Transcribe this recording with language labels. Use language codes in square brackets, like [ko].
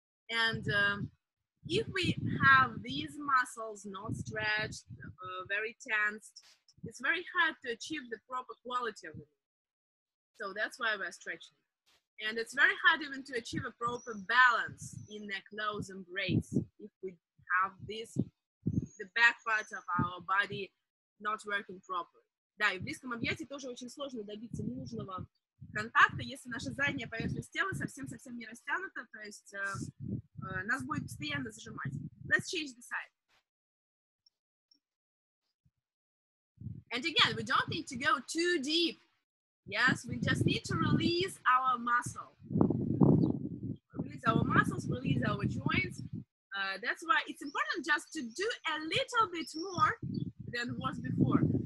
[en] And if we have these muscles not stretched, very tensed, it's very hard to achieve the proper quality of it. So that's why we're stretching. And it's very hard even to achieve a proper balance in a close embrace if we have this, the back part of our body not working properly. [ru] Да, и в близком объятии тоже очень сложно добиться нужного контакта, если наша задняя поверхность тела совсем-совсем не растянута, то есть нас будет постоянно зажимать. [en] Let's change the side. And again, we don't need to go too deep. Yes, we just need to release our muscle. Release our muscles, release our joints. That's why it's important just to do a little bit more than was before.